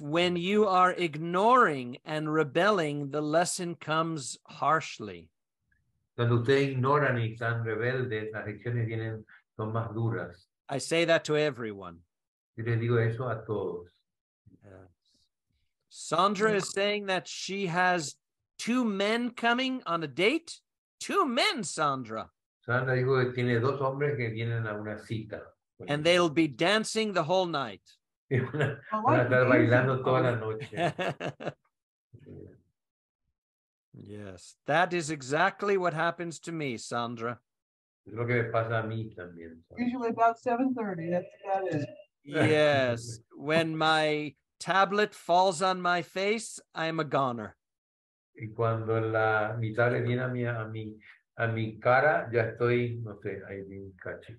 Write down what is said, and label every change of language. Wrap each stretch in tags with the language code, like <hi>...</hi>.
<en>When you are ignoring and rebelling, the lesson comes harshly.</en> <es>Cuando ustedes ignoran y están rebeldes, las lecciones vienen son más duras.</es> <en>I say that to everyone.</en> <es>Yo les digo eso a todos.</es> <en>Yes. Sandra is saying that she has two men coming on a date. Two men, Sandra.</en> <es>Sandra dijo que tiene dos hombres que vienen a una cita.</es> <en>And they'll be dancing the whole night.</en> <es>Van a estar bailando toda la noche.</es> <en>Yes, that is exactly what happens to me, Sandra.</en> <es>Es lo que me pasa a mí también.</es> <en>Usually about 7:30, that's about it. Yes, when my tablet falls on my face, I am a goner.</en> <es>Y cuando la mi tablet viene a mi cara, ya estoy, no sé, ahí bien caché.</es>